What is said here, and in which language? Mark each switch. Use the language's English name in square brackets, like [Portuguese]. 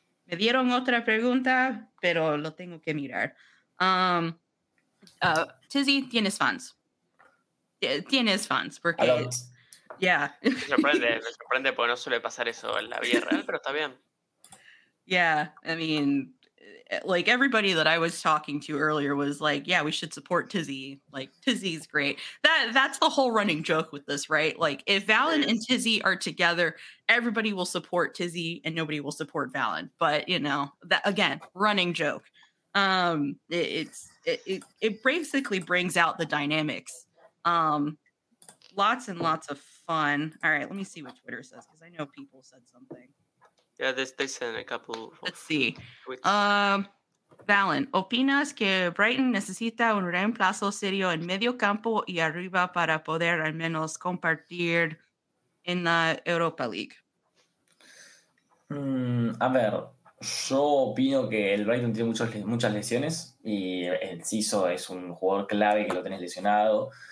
[Spanish] Me dieron otra pregunta, pero lo tengo que mirar. Tizzy, ¿tienes fans? ¿Tienes fans? Porque, [English] yeah. [Spanish] Me sorprende porque no suele pasar eso en la vida real, pero está bien. [English] Yeah, I mean, like everybody that I was talking to earlier was like, yeah, we should support Tizzy. Like Tizzy's great. That's the whole running joke with this, right? Like if Valen and Tizzy are together, everybody will support Tizzy and nobody will support Valen. But you know, that again, running joke. It basically brings out the dynamics. Lots and lots of fun. All right, let me see what Twitter says because I know people said something. Yeah, they sent a couple. Let's see. [Spanish] Valen, ¿opinas que Brighton necesita un reemplazo serio en medio campo y arriba para poder al menos compartir en la Europa League? A ver, yo opino que el Brighton tiene muchas lesiones y el Ciso es un jugador clave que lo tenés lesionado.